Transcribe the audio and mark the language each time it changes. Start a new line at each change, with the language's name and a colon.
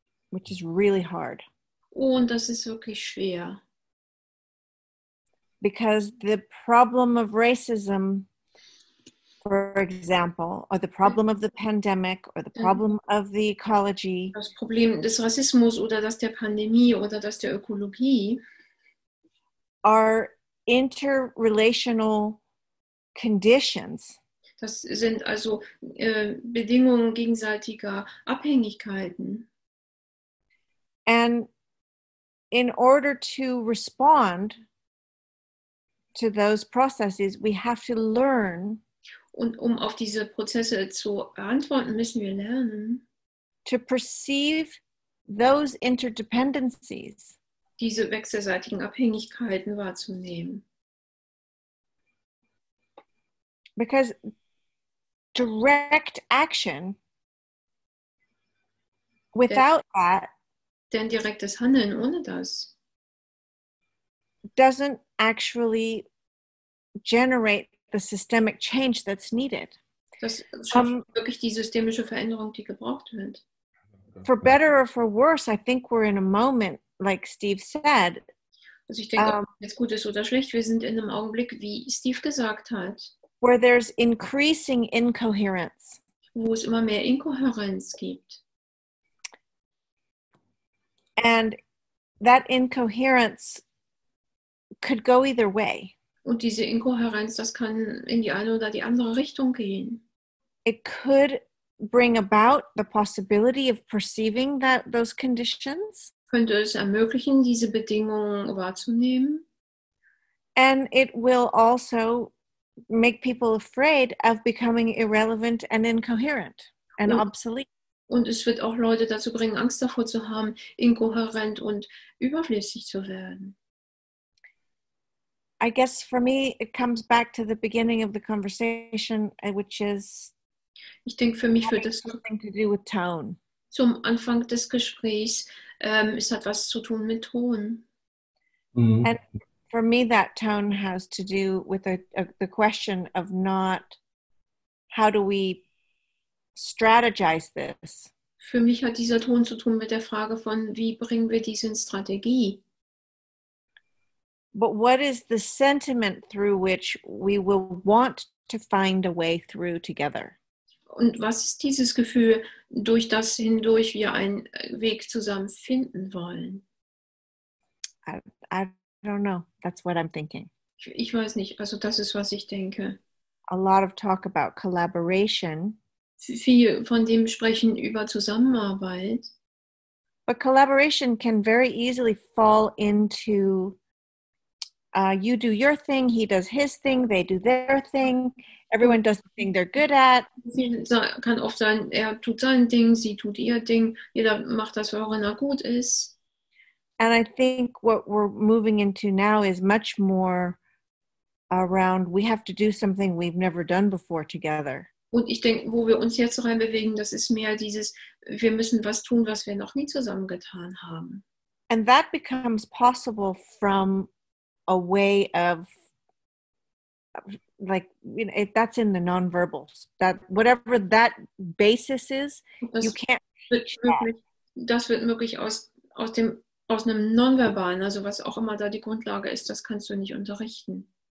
English: which is really hard.
German: Und das ist wirklich schwer.
English: Because the problem of racism, for example, or the problem of the pandemic, or the problem of the ecology.
German: Das Problem des Rassismus oder das der Pandemie oder das der Ökologie.
English: Are interrelational conditions.
German: Das sind also Bedingungen gegenseitiger Abhängigkeiten.
English: And in order to respond to those processes, we have to learn.
German: Und um auf diese Prozesse zu antworten, müssen wir lernen.
English: To perceive those interdependencies.
German: Diese wechselseitigen Abhängigkeiten wahrzunehmen.
English: Because direct action without that.
German: Denn direktes Handeln ohne das
English: doesn't actually generate the systemic change that's needed.
German: Das schafft wirklich die systemische Veränderung, die gebraucht wird.
English: For better or for worse, I think we're in a moment, like Steve said.
German: Also ich denke, ob es gut ist oder schlecht, wir sind in einem Augenblick, wie Steve gesagt hat.
English: Where there's increasing incoherence.
German: Wo es immer mehr Inkohärenz gibt.
English: And that incoherence could go either way.
German: Und diese Inkohärenz, das kann in die eine oder die andere Richtung gehen.
English: It could bring about the possibility of perceiving that those conditions.
German: Könnte es ermöglichen, diese Bedingungen wahrzunehmen.
English: And it will also make people afraid of becoming irrelevant and incoherent and obsolete.
German: Und es wird auch Leute dazu bringen, Angst davor zu haben, inkohärent und überflüssig zu werden.
English: I guess for me it comes back to the beginning of the conversation, which is,
German: ich denke, für mich wird das
English: something to do with tone.
German: Zum Anfang des Gesprächs, es hat was zu tun mit Ton. Mm-hmm.
English: And for me that tone has to do with the question of not how do we strategize this.
German: Für mich hat dieser Ton zu tun mit der Frage von, wie bringen wir dies in Strategie?
English: But what is the sentiment through which we will want to find a way through together?
German: Und was ist dieses Gefühl, durch das hindurch wir einen Weg zusammen finden wollen?
English: I don't know. That's what I'm thinking.
German: Ich weiß nicht. Also das ist, was ich denke.
English: A lot of talk about collaboration.
German: Viel von dem sprechen über Zusammenarbeit.
English: But collaboration can very easily fall into you do your thing, he does his thing, they do their thing, everyone does the thing they're good at.
German: Kann oft sein, er tut sein Ding, sie tut ihr Ding, jeder macht das, woran er gut ist.
English: And I think what we're moving into now is much more around, we have to do something we've never done before together.
German: Und ich denke, wo wir uns jetzt reinbewegen, das ist mehr dieses, wir müssen was tun, was wir noch nie zusammengetan haben.
English: And that becomes possible from a way of, like, you know, that's in the nonverbals. That whatever that basis is,
German: das
English: you can't teach
German: möglich, das wird möglich aus einem Nonverbalen, also was auch immer da die Grundlage ist, das kannst du nicht unterrichten.